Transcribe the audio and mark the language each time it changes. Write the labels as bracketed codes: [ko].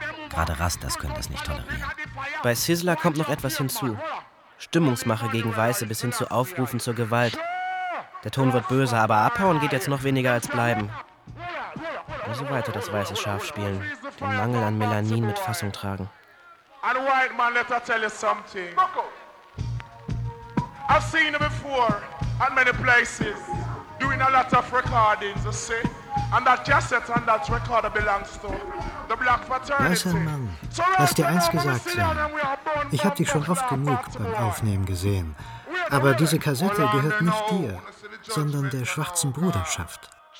[de] Gerade Rastas können das nicht tolerieren. Bei Sizzler kommt noch etwas hinzu. Stimmungsmache gegen Weiße bis hin zu Aufrufen zur Gewalt. Der Ton wird böse, aber abhauen geht jetzt noch weniger als bleiben. Und so weiter das weiße Schaf spielen, den Mangel an Melanin mit Fassung tragen. [en] And white man, let her tell you something. I've seen you before at many places, doing a lot of recordings, you see. And that cassette and that record belongs to the Black Fraternity. [de] Weißer Mann, lass dir eins gesagt sein. Ich hab dich schon oft genug beim Aufnehmen gesehen. Aber diese Kassette gehört nicht dir, sondern der schwarzen Bruderschaft.